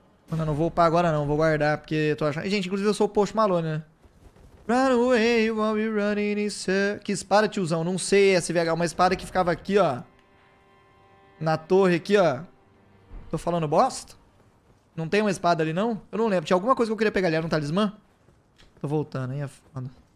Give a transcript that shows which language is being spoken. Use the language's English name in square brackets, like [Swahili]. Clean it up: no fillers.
[Portuguese] Mano, eu não vou upar agora não, vou guardar, porque tô achando. Gente, inclusive eu sou o Post Malone, né? [English] Run away, you won't be running in circles. [Portuguese] Que espada, tiozão? Não sei, SVH, uma espada que ficava aqui, ó. Na torre aqui, ó. Tô falando bosta? Não tem uma espada ali, não? Eu não lembro. Tinha alguma coisa que eu queria pegar ali, era um talismã? Tô voltando, aí é foda.